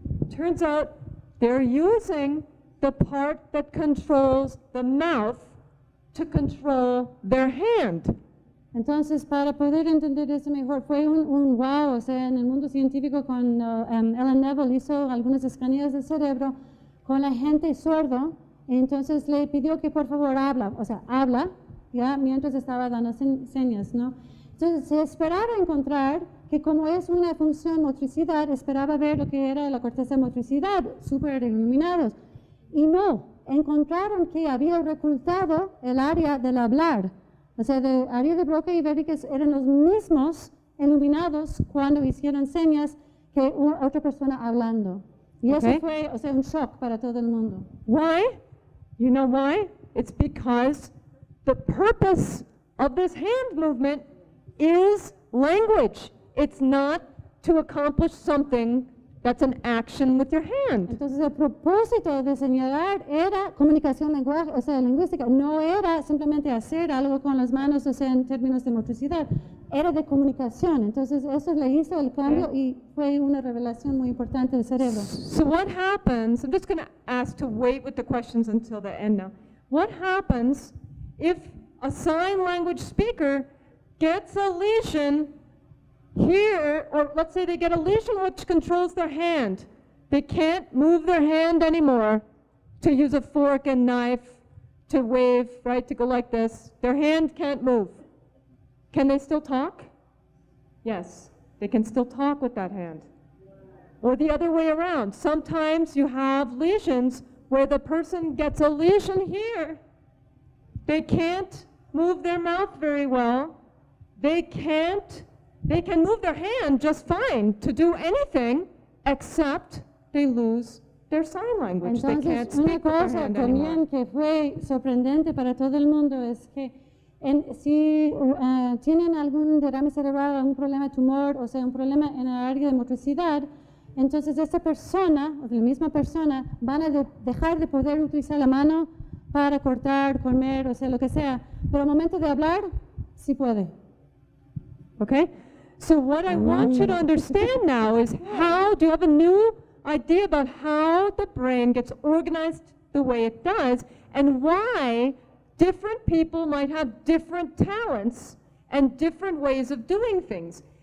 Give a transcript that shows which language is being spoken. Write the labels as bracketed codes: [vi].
[en] Turns out they're using the part that controls the mouth to control their hand. [es] Entonces, para poder entender eso mejor, fue un wow, o sea, en el mundo científico cuando Ellen Neville hizo algunas escaneas del cerebro con la gente sordo, entonces le pidió que por favor habla, o sea, habla, ya, mientras estaba dando señas, ¿no? Entonces, se esperaba encontrar que como es una función motricidad, esperaba ver lo que era la corteza de motricidad, súper iluminados, y no, encontraron que había reclutado el área del hablar. O sea, de área de Broca y Wernicke eran los mismos iluminados cuando hicieron señas que otra persona hablando. Y okay. Eso fue, o sea, un shock para todo el mundo. [en] Why? You know why? It's because the purpose of this hand movement is language. It's not to accomplish something that's an action with your hand. [es] Entonces, el propósito de señalar era comunicación lenguaje, o sea, lingüística. No era simplemente hacer algo con las manos, o sea, en términos de motricidad. Era de comunicación. Entonces, eso le hizo el cambio okay. y fue una revelación muy importante del cerebro. [en] So what happens, I'm just going to ask to wait with the questions until the end now. What happens if a sign language speaker gets a lesion here, or let's say they get a lesion which controls their hand. They can't move their hand anymore to use a fork and knife to wave, right, to go like this. Their hand can't move. Can they still talk? Yes, they can still talk with that hand. or the other way around. Sometimes you have lesions where the person gets a lesion here. They can't move their mouth very well. They can move their hand just fine to do anything, except they lose their sign language. [es] Entonces, [en] they can't speak with their hand [es] también Que fue sorprendente para todo el mundo es que en, si tienen algún derrame cerebral, algún problema de tumor, o sea, un problema en el área de motricidad, entonces esta persona, o la misma persona, van a dejar de poder utilizar la mano para cortar, comer, o sea, lo que sea. Pero al momento de hablar, sí puede. Okay? [en] So what I want you to understand now is how, do you have a new idea about how the brain gets organized the way it does, and why different people might have different talents and different ways of doing things?